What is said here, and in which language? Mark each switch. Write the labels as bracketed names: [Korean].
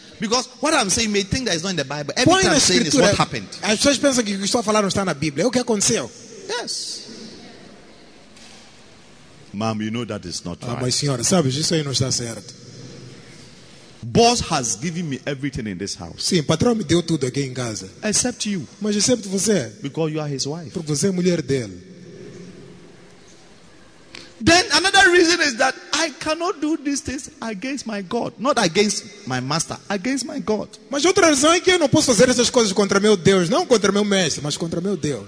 [English] Because what I'm saying you may think that is not in the Bible. Everything I'm saying is what happened. [Portuguese] As pessoas pensam que o que estou a falar não está na Bíblia. O que aconteceu? [English] Yes. Ma'am, you know that is not right. [Portuguese] Ah, mas senhora, sabe, isso aí não está certo. [English] Boss has given me everything in this house. [Portuguese] Sim, patrão me deu tudo aqui em casa. [English] Except you. [Portuguese] Mas exceto você. [English] Because you are his wife. [Portuguese] Porque você é mulher dele. [English] Then another reason is that I cannot do these things against my God, not against my master, against my God. [Portuguese] Mas outra razão é que eu não posso fazer essas coisas contra meu Deus, não contra meu mestre, mas contra meu Deus.